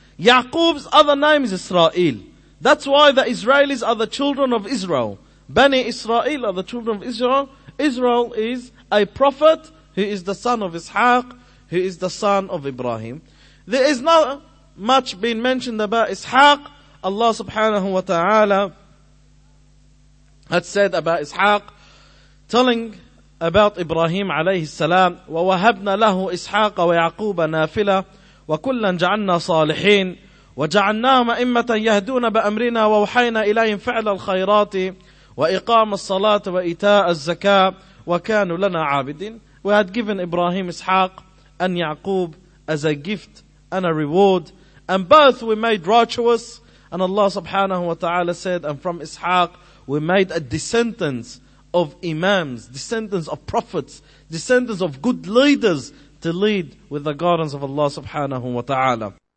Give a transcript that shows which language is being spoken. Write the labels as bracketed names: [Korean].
[English] Yaqub's other name is Israel. That's why the Israelis are the children of Israel. Bani Israel are the children of Israel. Israel is a prophet who is the son of Ishaq, who is the son of Ibrahim. There is not much being mentioned about Ishaq. Allah subhanahu wa ta'ala had said about Ishaq, telling about Ibrahim alayhi salam, [Arabic] وَوَهَبْنَا لَهُ إِسْحَاقَ وَيَعْقُوبَ نَافِلَةً وَكُلًّا جَعَلْنَا صَالِحِينَ وَجَعَلْنَاهُمْ أَئِمَّةً يَهْدُونَ بِأَمْرِنَا وَوَحَيْنَا إِلَيْهِمْ فِعْلَ الْخَيْرَاتِ وَإِقَامَ الصَّلَاةِ وَإِيتَاءَ الزَّكَاةِ وَكَانُوا لَنَا عَابِدِينَ. [English] We had given Ibrahim Ishaq and Yaqub as a gift and a reward, and both we made righteous. And Allah subhanahu wa ta'ala said, and from Ishaq we made a descendants of imams, descendants of prophets, descendants of good leaders to lead with the guidance of Allah subhanahu wa ta'ala.